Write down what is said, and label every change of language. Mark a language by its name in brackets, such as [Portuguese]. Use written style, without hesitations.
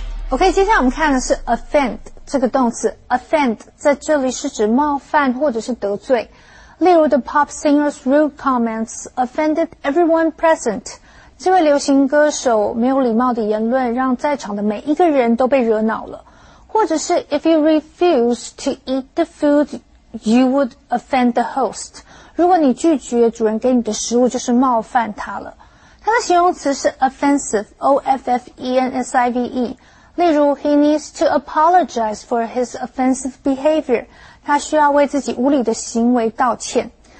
[Chinese] Okay, 接下来我们看的是 offend 这个动词。Offend 在这里是指冒犯或者是得罪。例如 [English] the pop singer's rude comments offended everyone present. [Chinese] 这位流行歌手没有礼貌的言论让在场的每一个人都被惹恼了。或者是 [English] if you refuse to eat the food, you would offend the host. [Chinese] 如果你拒绝主人给你的食物就是冒犯他了。他的形容词是 offensive, O-F-F-E-N-S-I-V-E。例如 [English] he needs to apologize for his offensive behavior。 [Chinese] 他需要为自己无理的行为道歉。